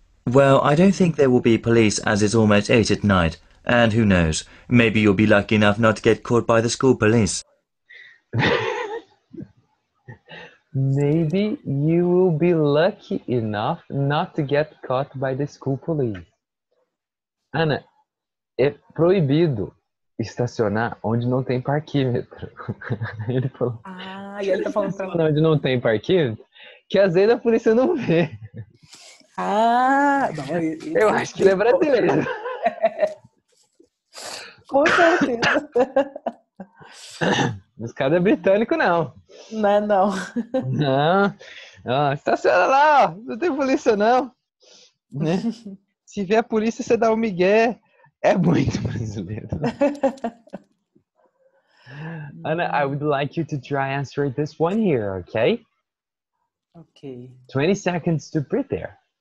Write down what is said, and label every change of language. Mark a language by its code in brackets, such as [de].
[en] Well, I don't think there will be police as it's almost 8 at night. And who knows, maybe you'll be lucky enough not to get caught by the school police. Maybe you will be lucky enough not to get caught by the school police. [pt] Ana, é proibido estacionar onde não tem parquímetro. Ele falou. Ah, e ele tá falando onde não tem parquímetro, que às vezes a polícia não vê. Ah, não, eu acho que ele é brasileiro. Com certeza. Esse cara é britânico, não. Não é, não. Não. Ah, estaciona lá, ó. Não tem polícia, não. Né? Se vê a polícia, você dá um migué. É muito brasileiro. [en] Ana, I would like you to try answering this one here, okay? Okay. 20 seconds to prepare.